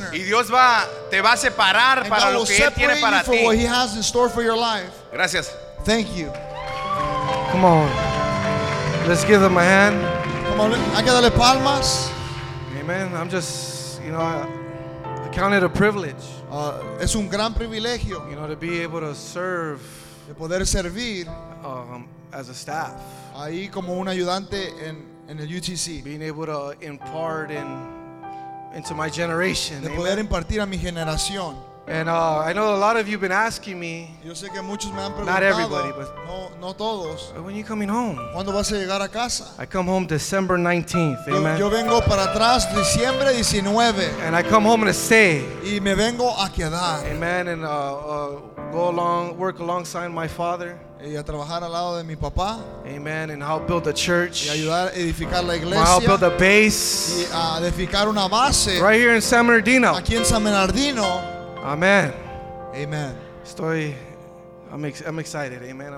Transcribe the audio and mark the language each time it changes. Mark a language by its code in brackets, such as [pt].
[es] Y Dios te va a separar para lo que Él tiene para ti. [en] What He has in store for your life. [es] Gracias. [en] Thank you. Come on. Let's give them a hand. Come on. [es] Hay que darle palmas. [en] Amen. I'm just, you know, I count it a privilege. [es] Es un gran privilegio. [en] You know, to be able to serve. [es] De poder servir. [en] As a staff. [es] Ahí como un ayudante en el UTC. [en] Being able to impart into my generation. [es] De poder impartir a mi generación. [en] And I know a lot of you have been asking me. [es] Yo sé que muchos me han preguntado. [en] Not everybody, but [es] no todos. [en] When are you coming home? [es] ¿Cuándo vas a llegar a casa? [en] I come home December 19th. Amen. [es] Yo vengo para atrás diciembre 19. [en] And I come home to stay. [es] Y me vengo a quedar. [en] Amen. And go along, work alongside my father. [es] y a trabajar al lado de mi papá. [en] Amen. And help build the church. [es] Y ayudar a edificar la iglesia. [en] Help build the base. [es] Y a edificar una base. [en] Right here in San Bernardino. [es] Aquí en San Bernardino. [en] Amen. Amen. I'm excited. Amen.